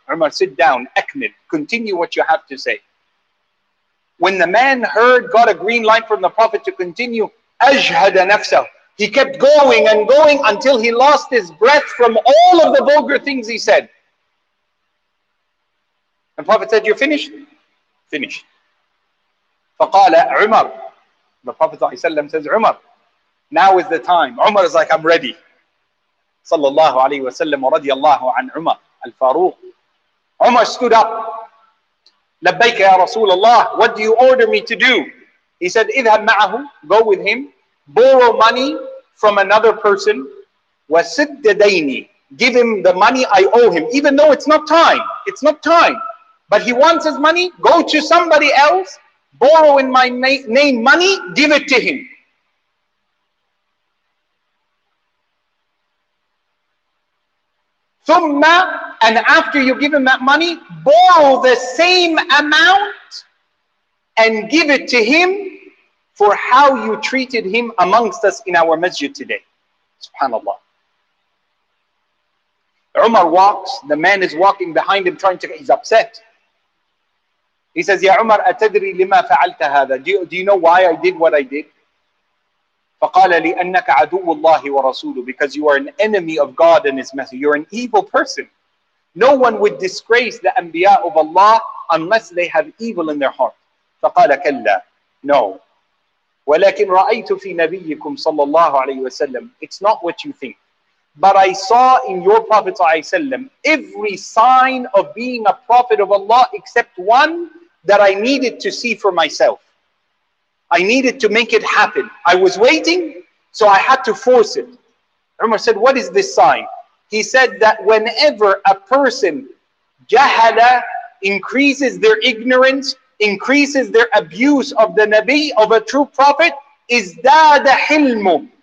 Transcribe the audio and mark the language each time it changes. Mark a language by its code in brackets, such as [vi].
[en] Umar, sit down, [ar] أكمل. [en] Continue what you have to say. When the man heard, got a green light from the Prophet to continue, [ar] أَجْهَدَ نَفْسَهُ, [en] he kept going and going until he lost his breath from all of the vulgar things he said. The Prophet said, you're finished? Finished. [ar] فَقَالَ عُمَر, [en] the Prophet ﷺ says, Umar, now is the time. Umar is like, I'm ready. [ar] صلى الله عليه وسلم ورضي الله عن عمر الفاروق. [en] Umar stood up. [ar] لَبَّيْكَ يَا رَسُولَ اللَّهِ, [en] what do you order me to do? He said, [ar] اِذْهَبْ مَعَهُ, [en] go with him, borrow money from another person, [ar] وسد ديني. [en] Give him the money I owe him, even though it's not time. It's not time. But he wants his money, go to somebody else, borrow in my name money, give it to him. [ar] ثُمَّ, [en] and after you give him that money, borrow the same amount and give it to him for how you treated him amongst us in our masjid today. SubhanAllah. Umar walks, the man is walking behind him trying to, he's upset. He says, Ya Umar, [ar] أتدري لما فعلت هذا? [en] Do you know why I did what I did? [ar] فقال لأنك عدو الله ورسوله. [en] Because you are an enemy of God and His Messenger. You're an evil person. No one would disgrace the Anbiya of Allah unless they have evil in their heart. [ar] فقال كلا. [en] No. [ar] ولكن رأيت في نبيكم صلى الله عليه وسلم. [en] It's not what you think. But I saw in your Prophet ﷺ every sign of being a prophet of Allah except one that I needed to see for myself. I needed to make it happen. I was waiting, so I had to force it. Umar said, what is this sign? He said that whenever a person, jahala, increases their ignorance, increases their abuse of the Nabi, of a true prophet, [ar] izdada hilmu.